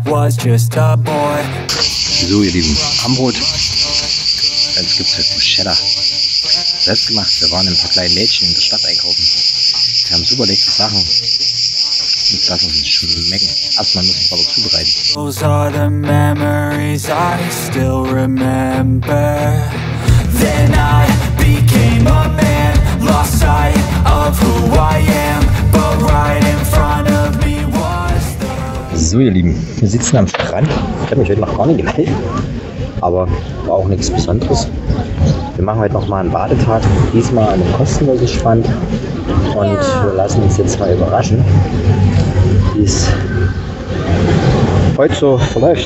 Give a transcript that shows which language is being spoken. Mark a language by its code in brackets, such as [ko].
[de] So, ihr Lieben, Abendbrot. Jetzt gibt es halt Bruschetta. Selbst gemacht. Wir waren ein paar kleine Mädchen in der Stadt einkaufen. Wir haben super leckere Sachen. Und das muss nicht schmecken. Erstmal muss ich aber zubereiten. [en] Those are the memories I still remember. Then I became a man, lost sight of who I am. But right in front of me was the... [de] So, ihr Lieben, wir sitzen am Strand. Ich habe mich heute noch gar nicht gemeldet. aber auch nichts Besonderes. Wir machen heute nochmal einen Badetag, diesmal einen kostenlosen Strand. Und wir lassen uns jetzt mal überraschen, wie es heute so verläuft.